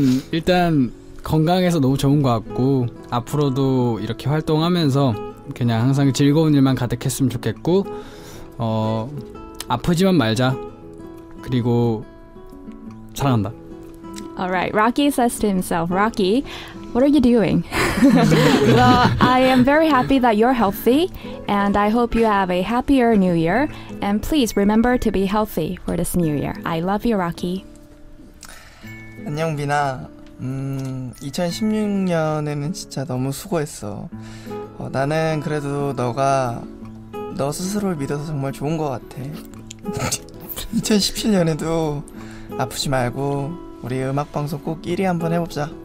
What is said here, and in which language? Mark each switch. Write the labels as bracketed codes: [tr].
[ko] 일단 건강해서 너무 좋은 것 같고 앞으로도 이렇게 활동하면서 그냥 항상 즐거운 일만 가득했으면 좋겠고 아프지만 말자. 그리고 사랑한다. [en] Alright, Rocky says to himself, Rocky, what are you doing? Well, I am very happy that you're healthy, and I hope you have a happier new year. And please remember to be healthy for this new year. I love you, Rocky. [ko] 안녕, 비나. 2016년에는 진짜 너무 수고했어. 나는 그래도 너 스스로를 믿어서 정말 좋은 것 같아. 2017년에도 아프지 말고 우리 음악방송 꼭 1위 한번 해봅시다.